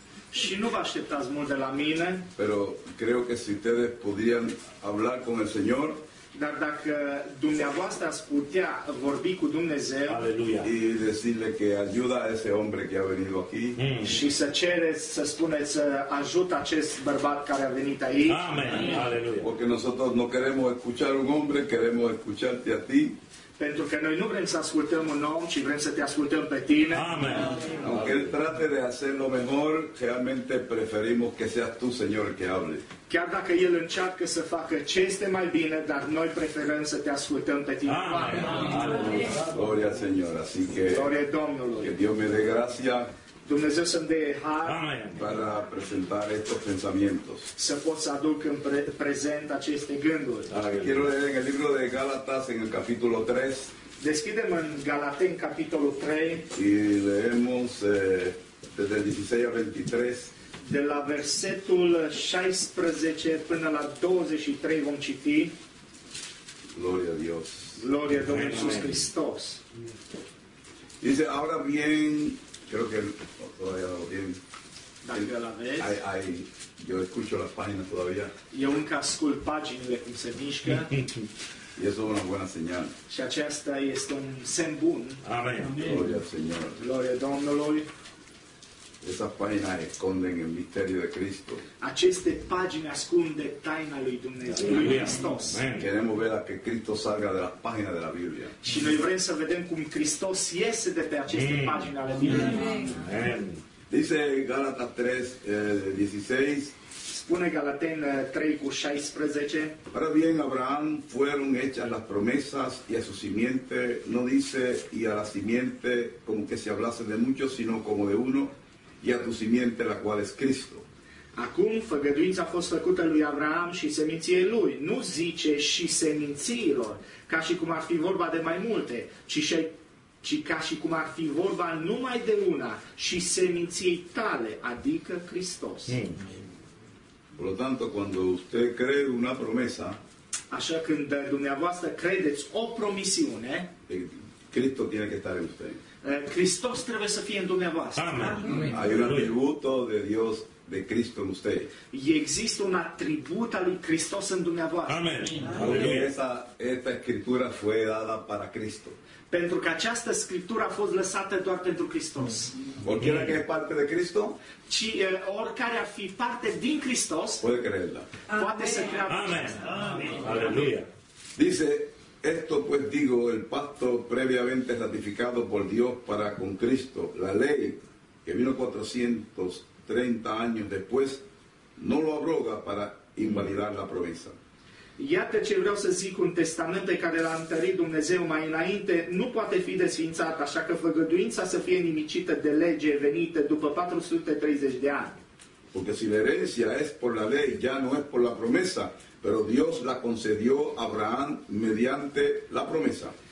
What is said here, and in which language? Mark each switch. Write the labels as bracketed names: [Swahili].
[Romanian] Și nu vă așteptați mult de la mine. [Spanish] Pero creo que si ustedes podrían hablar con el Señor. [Romanian] Dar dacă dumneavoastră ați putea vorbi cu Dumnezeu. Aleluia. [Spanish] Y decirle que ayuda a ese hombre que ha venido aquí. [Romanian] Și să cereți, să spuneți, să ajut acest bărbat care a venit aici. Amen. Aleluia. [Spanish] Porque nosotros no queremos escuchar un hombre, queremos escucharte a ti. [Romanian] Pentru că noi nu vrem să ascultăm un om, ci vrem să te ascultăm pe tine. Amen. [Spanish] Aunque él trate de hacer lo mejor, realmente preferimos que seas tú, Señor, que hable. [Romanian] Chiar dacă el încearcă să facă ce este mai bine, dar noi preferăm să te ascultăm pe tine. Amen. Amen. [Spanish] Gloria al Señor. Así que [Romanian] gloria Domnului. [Spanish] Que Dios me dé gracia. [Romanian] Dumnezeu să-mi dea har. Amen. [Spanish] Para presentar estos pensamientos. [Romanian] Să pot să aduc în prezent aceste gânduri. [Spanish] Quiero leer en el libro de Gálatas en el capítulo 3. [Romanian] Deschidem în Galaten capitolul 3. [Spanish] Y leemos desde el 16 al 23. [Romanian] De la versetul 16 până la 23 vom citi. [Spanish] Gloria a Dios. [Romanian] Gloria a Domnul Iisus Hristos. [Spanish] Dice, ahora bien. Creo que todavía lo tienen. [Romanian] Dacă la vezi. [Spanish] Ahí, yo escucho las páginas todavía. [Romanian] Eu încă ascult paginile cum se mișcă. [Spanish] Y eso es una buena señal. [Romanian] Și aceasta este un semn bun. Amen. [Spanish] Gloria al Señor. [Romanian] Gloria Domnului. [Spanish] Esas páginas esconden el misterio de Cristo. [Romanian] Aceste pagini ascunde taina lui Dumnezeu, lui Hristos. [Spanish] Queremos ver a que Cristo salga de las páginas de la Biblia. [Romanian] Și noi vrem să vedem cum Hristos iese de pe aceste pagini ale Bibliei. [Spanish] Dice Gálatas 3, 16. [Romanian] Spune Galaten 3:16. [Spanish] Ahora bien, Abraham fueron hechas las promesas y a su simiente, no dice y a la simiente como que se hablase de muchos, sino como de uno. Y a tu simiente, la cual es Cristo. [Romanian] Acum făgăduința a fost făcută lui Abraham și seminție lui. Nu zice și seminților, ca și cum ar fi vorba de mai multe, ci ca și cum ar fi vorba numai de una, și seminției tale, adică Hristos. [Spanish] Por lo tanto, cuando usted cree una promesa, [Romanian] așa când dumneavoastră credeți o promisiune, [Spanish] Cristo tiene que estar en usted. [Romanian] Hristos trebuie să fie în dumneavoastră. Amen. [Spanish] Hay un atributo de Dios de Cristo en usted. [Romanian] Există un atribut al lui Hristos în dumneavoastră. Amen. [Spanish] Esta escritura fue dada para Cristo. [Romanian] Pentru că această scriptură a fost lăsată doar pentru Hristos. Oricare care e parte de Cristo, ci oricare ar fi parte din Hristos, [Spanish] puede creerla. [Romanian] Poate să creadă. Amen. Amen. Aleluia. [Spanish] Dice: esto pues digo, el pacto previamente ratificado por Dios para con Cristo, la ley que vino 430 años después, no lo abroga para invalidar la promesa. [Romanian] Iată ce vreau să zic, un testament pe care l-a întărit Dumnezeu mai înainte nu poate fi desfințat, așa că făgăduința să fie nimicită de lege venită după 430 de ani. [Spanish] Porque si la herencia es por la ley, ya no es por la promesa, pero Dios la concedió a Abraham mediante la promesa.